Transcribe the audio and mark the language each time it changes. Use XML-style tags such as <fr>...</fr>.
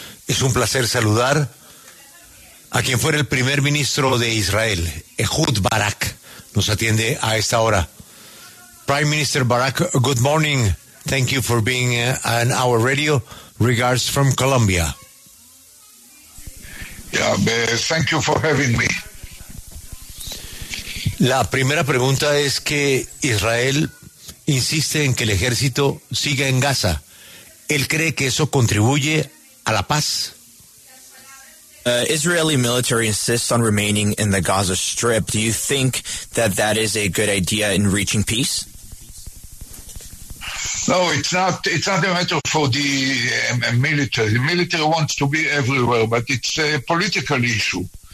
<es>Es un placer saludar a quien fuera el primer ministro de Israel, Ehud Barak. Nos atiende a esta hora.</es> <en>Prime Minister Barak, good morning. Thank you for being on our radio. Regards from Colombia. Yeah, thank you for having me.</en> <es>La primera pregunta es que Israel insiste en que el ejército siga en Gaza. ¿Él cree que eso contribuye a la paz?</es> <en>Israeli military insists on remaining in the Gaza Strip. Do you think that that is a good idea in reaching peace? No, it's not. It's not a matter for the military. The military wants to be everywhere, but it's a political issue.</en>